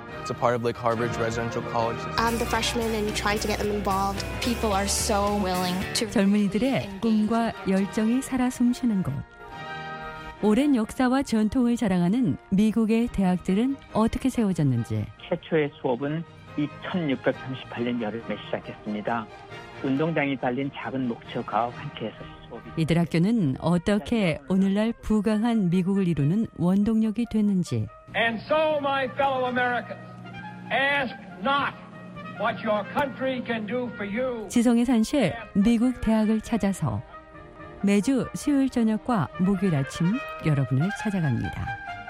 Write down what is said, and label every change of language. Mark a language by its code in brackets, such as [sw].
[en] It's a part of Lake Harvard's residential college. I'm the freshman and trying to get them involved. People are so willing to. [ko] 젊은이들의 꿈과 열정이 살아 숨쉬는 곳. 오랜 역사와 전통을 자랑하는 미국의 대학들은 어떻게 세워졌는지. 최초의 수업은 1638년 여름에 시작했습니다. 운동장이 달린 작은 목표가 함께해서 이들 학교는 어떻게 오늘날 부강한 미국을 이루는 원동력이 됐는지. [en] And so my fellow Americans, ask not what your country can do for you. [ko] 지성의 산실 미국 대학을 찾아서 매주 수요일 저녁과 목요일 아침 여러분을 찾아갑니다.